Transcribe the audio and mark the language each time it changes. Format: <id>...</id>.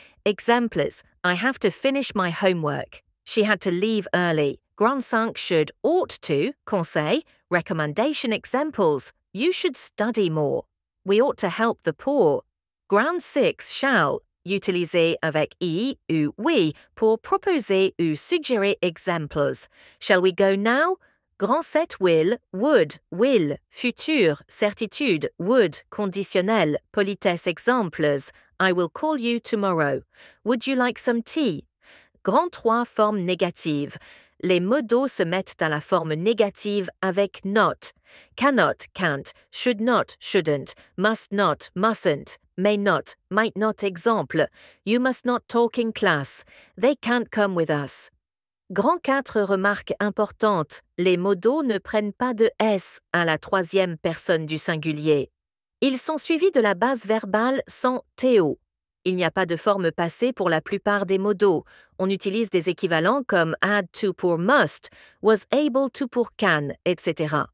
<en>Exemples, I have to finish my homework. She had to leave early. Grand cinq should, ought to, conseil, recommendation examples, you should study more. We ought to help the poor.</en> <fr>Grand six shall, utilisé avec I ou oui pour proposer ou suggérer examples.</fr> <en>Shall we go now? Grand 7 will, would, will, future, certitude, would,</en> <fr>conditionnel, politesse exemples,</fr> <en>I will call you tomorrow. Would you like some tea?</en> <fr>Grand 3 forme négative. Les modaux se mettent à la forme négative avec not.</fr> <en>Cannot, can't, should not, shouldn't, must not, mustn't, may not, might not exemple, you must not talk in class, they can't come with us.</en> <fr>Grand 4 remarque importante, les modaux ne prennent pas de S à la troisième personne du singulier. Ils sont suivis de la base verbale sans TO. Il n'y a pas de forme passée pour la plupart des modaux. On utilise des équivalents comme had to pour must, was able to pour can, etc.</fr>